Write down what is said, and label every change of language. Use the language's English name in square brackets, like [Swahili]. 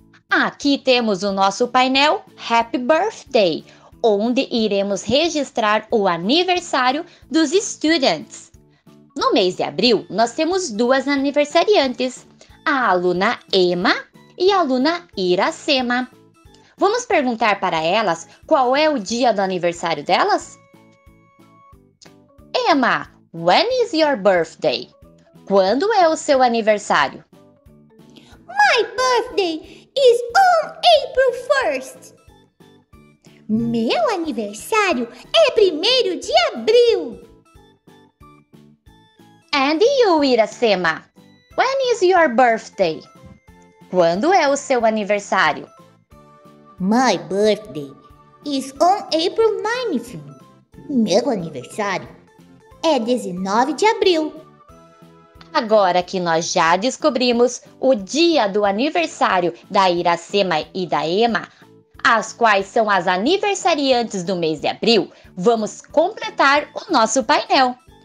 [Portuguese] Aqui temos o nosso painel Happy Birthday, onde iremos registrar o aniversário dos students. No mês de abril, nós temos duas aniversariantes, a aluna Emma e a aluna Iracema. Vamos perguntar para elas qual é o dia do aniversário delas? [English] Emma, when is your birthday? [Portuguese] Quando é o seu aniversário? [English] My birthday is on April 1st. [Portuguese] Meu aniversário é 1º de abril. [English] And you, Iracema, when is your birthday? [Portuguese] Quando é o seu aniversário? [English] My birthday is on April 9th. [Portuguese] Meu aniversário é 19 de abril. Agora que nós já descobrimos o dia do aniversário da Iracema e da Emma, as quais são as aniversariantes do mês de abril, vamos completar o nosso painel.